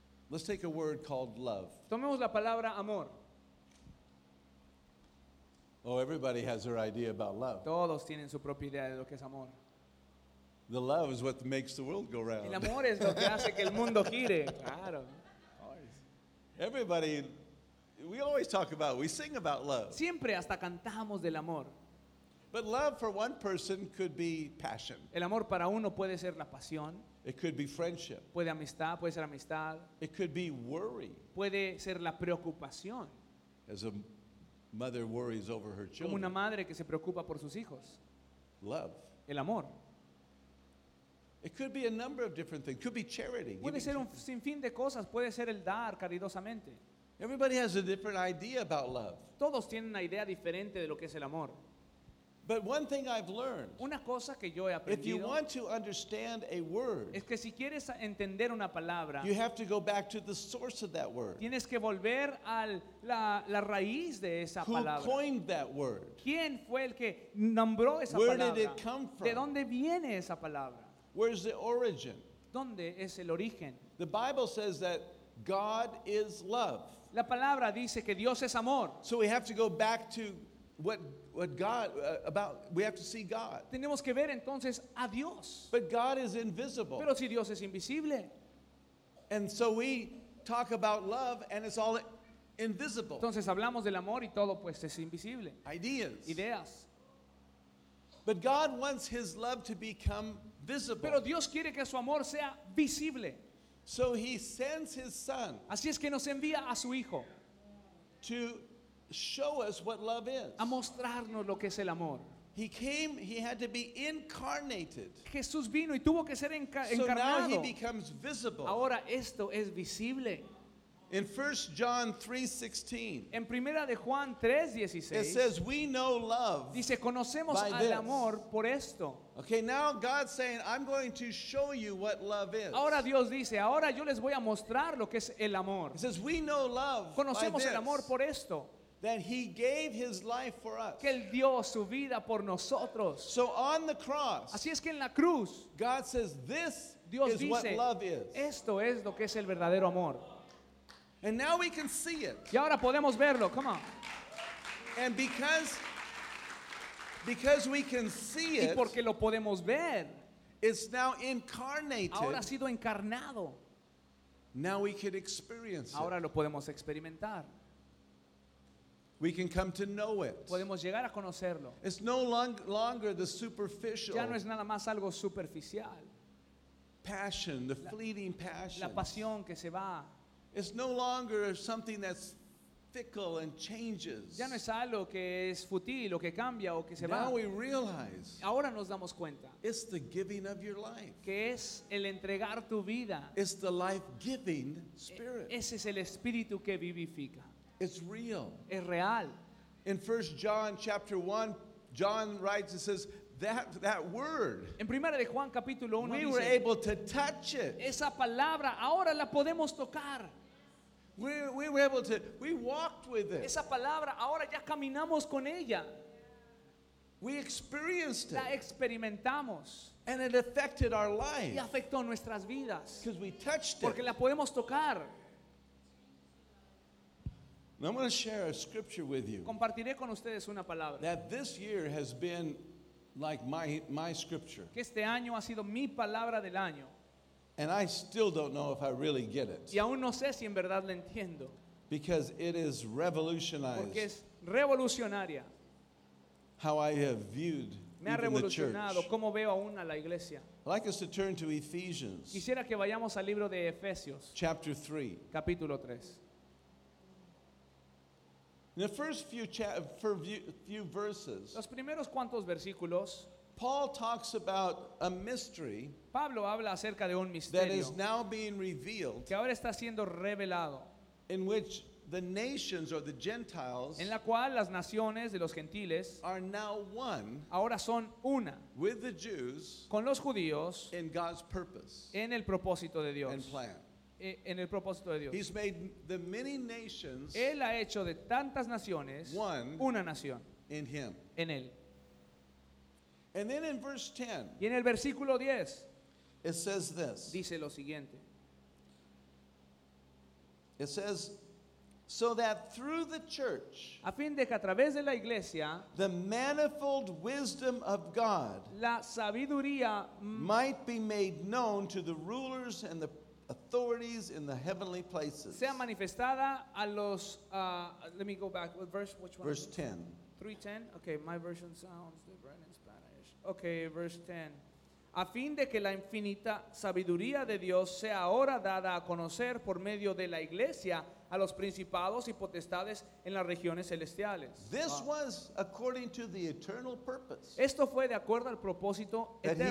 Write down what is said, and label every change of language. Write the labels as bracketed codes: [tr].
[en] Let's take a word called love. [es] Tomemos la palabra amor. [en] Oh, everybody has their idea about love. [es] Todos tienen su propia idea de lo que es amor. [en] The love is what makes the world go round. [es] El amor es lo que hace que el mundo gire. Claro. [en] Everybody, we always talk about, we sing about love. [es] Siempre hasta cantamos del amor. [en] But love for one person could be passion. [es] El amor para uno puede ser la pasión. [en] It could be friendship. [es] Puede amistad, puede ser amistad. [en] It could be worry. [es] Puede ser la preocupación. [en] As a mother worries over her children. [es] Como una madre que se preocupa por sus hijos. [en] Love. [es] El amor. [en] It could be a number of different things. Could be charity. [es] Puede ser un sinfín de cosas. Puede ser el dar caridosamente. [en] Everybody has a different idea about love. [es] Todos tienen una idea diferente de lo que es el amor. [en] But one thing I've learned. [es] Una cosa que yo he aprendido. [en] If you want to understand a word. [es] Es que si quieres entender una palabra. [en] You have to go back to the source of that word. [es] Tienes que volver a la raíz de esa palabra. [en] Who coined that word? [es] ¿Quién fue el que nombró esa palabra? [en] Where did it come from? [es] ¿De dónde viene esa palabra? [en] Where's the origin? [es] ¿Dónde es el origen? [en] The Bible says that God is love. [es] La palabra dice que Dios es amor. [en] So we have to go back to what God about? We have to see God. [es] Tenemos que ver entonces a Dios. [en] But God is invisible. [es] Pero si Dios es invisible. [en] And so we talk about love, and it's all invisible. [es] Entonces hablamos del amor y todo pues es invisible. [en] Ideas. [es] Ideas. [en] But God wants His love to become visible. [es] Pero Dios quiere que su amor sea visible. [en] So He sends His Son. [es] Así es que nos envía a su hijo. [en] To show us what love is. [es] A mostrarnos lo que es el amor. [en] He came, he had to be incarnated. [es] Jesús vino y tuvo que ser encarnado. [en] So now he becomes visible. [es] Ahora esto es visible. [en] In 1 John 3:16. [es] En Primera de Juan 3:16. [en] It says we know love. [es] Dice conocemos al [en] this. [es] Amor por esto. [en] Okay, now God's saying I'm going to show you what love is. [es] Ahora Dios dice, ahora yo les voy a mostrar lo que es el amor. [en] It says we know love. [es] Conocemos [en] by [es] el [en] this. [es] Amor por esto. [en] That he gave his life for us. [es] Que él dio su vida por nosotros. [en] So on the cross. [es] Así es que en la cruz. [en] God says this [es] Dios [en] is [es] dice, [en] what love is. [es] Esto es lo que es el verdadero amor. [en] And now we can see it. [es] Y ahora podemos verlo. [en] Come on. And because we can see it. [es] Y porque lo podemos ver. [en] It's now incarnated. [es] Ahora ha sido encarnado. [en] Now we could experience it. [es] Ahora lo podemos experimentar. [en] We can come to know it. [es] Podemos llegar a conocerlo. [en] It's no longer the superficial. [es] Ya no es nada más algo superficial. [en] Passion, the fleeting passion. [es] La pasión que se va. [en] It's no longer something that's fickle and changes. [es] Ya no es algo que es fútil o que cambia o que se [en] now [es] va. [en] Now we realize. [es] Ahora nos damos cuenta. [en] It's the giving of your life. [es] Que es el entregar tu vida. [en] It's the life-giving spirit. [es] Ese es el espíritu que vivifica. [en] It's real. [es] Es real. [en] In 1 John chapter 1, John writes and says that word. [es] En Primera de Juan capítulo 1 [en] we [es] dice, [en] were able to touch it. [es] Esa palabra ahora la podemos tocar. [en] We were able to. We walked with it. [es] Esa palabra ahora ya caminamos con ella. [en] We experienced it. [es] La experimentamos. [en] And it affected our life. [es] Y afectó nuestras vidas. [en] Because we touched [es] porque [en] it. [es] La podemos tocar. [en] And I'm going to share a scripture with you. [es] Compartiré con ustedes una palabra. [en] That this year has been like my scripture. [es] Que este año ha sido mi palabra del año. [en] And I still don't know if I really get it. [es] Y aún no sé si en verdad la entiendo. [en] Because it is revolutionized. [es] Porque es revolucionaria. [en] How I have viewed [es] me ha revolucionado cómo veo aún a la iglesia. [en] I'd like us to turn to Ephesians. [es] Quisiera que vayamos al libro de Efesios. [en] Chapter 3. [es] Capítulo 3. [en] In the first few verses, [es] los primeros cuantos versículos, [en] Paul talks about a mystery. [es] Pablo habla acerca de un misterio [en] that is now being revealed, [es] que ahora está siendo revelado, [en] in which the nations or the Gentiles, [es] en la cual las naciones de los gentiles, [en] are now one, [es] ahora son una, [en] with the Jews, [es] con los judíos, [en] in God's purpose, [es] en el propósito de Dios, [en] and plan. [es] En el propósito de Dios. [en] He's made the many nations, [es] él ha hecho de tantas naciones, [en] one, [es] una nación, [en] in him, [es] en él. [en] And then in verse 10, [es] y en el versículo 10, [en] it says this. [es] Dice lo siguiente. [en] It says, so that through the church, [es] a fin de que a través de la iglesia, [en] the manifold wisdom of God, [es] la sabiduría, [en] might be made known to the rulers and the authorities in the heavenly places. [es] Sea manifestada a los, [en] let me go back, verse, which one? Verse 10. 3:10? Okay, my version sounds different in Spanish. Okay, verse 10. [es] A fin de que la infinita sabiduría de Dios sea ahora dada a conocer por medio de la iglesia a los principados y potestades en las regiones celestiales. [en] This was according to the eternal purpose. [es] Esto fue de acuerdo al propósito eterno.